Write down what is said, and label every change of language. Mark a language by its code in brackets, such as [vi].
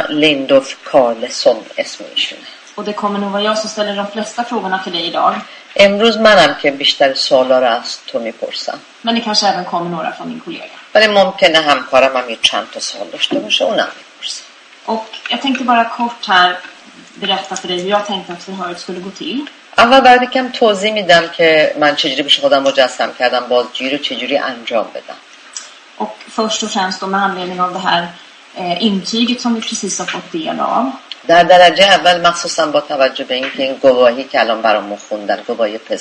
[fa] لیندوف کارلسون اسم ایشونه [sv] و det kommer nog vara jag som ställer de flesta frågorna till dig idag. [fa] امروز منم که بیشتر سوالا رو از تو میپرسم. [sv] Men det kanske även kommer några från min kollega. Men det [fa] ممکن همکارم هم یه چند تا سوال داشته باشه اونم میپرسم. [sv] Och jag tänkte bara kort här berätta för dig hur jag tänkte att förhöret skulle gå till. [fa] اول بعد کم توضیح میدم که من چجوری بهش خودم مجسم کردم بازجویی رو چجوری انجام بدم. [sv] Och först och främst med anledning av det här intyget som vi precis har fått del av. [fa] در درجه اول مخصوصا با توجه به اینکه این گواهی که الان برامو خوندن گواهی